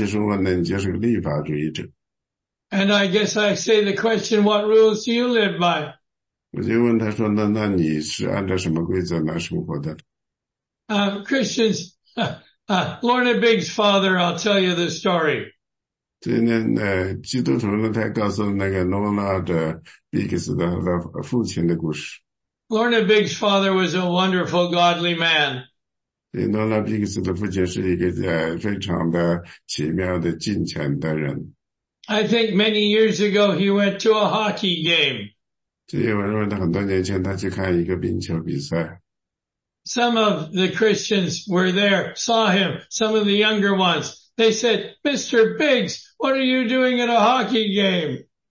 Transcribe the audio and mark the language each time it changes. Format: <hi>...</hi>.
<zh>人们说呢,如果你像这样去生活呢,你就是个立法主义者。</zh> <en>And I guess I say the question, what rules do you live by?</en> <zh>我就问他说,那你是按照什么规则来生活的?</zh> <en>Christians, Lorna Biggs' father, I'll tell you the story.</en> <zh>今天呢,基督徒呢,他告诉那个Lorna Biggs的父亲的故事。</zh> <en>Lorna Biggs' father was a wonderful, godly man.</en> <zh>Lorna Biggs的父亲是一个非常的奇妙的敬虔的人。</zh> <en>I think many years ago he went to a hockey game.</en> <zh>这些我认为很多年前他去看一个冰球比赛。</zh> <en>Some of the Christians were there, saw him, some of the younger ones. They said, Mr. Biggs, what are you doing at a hockey game?</en>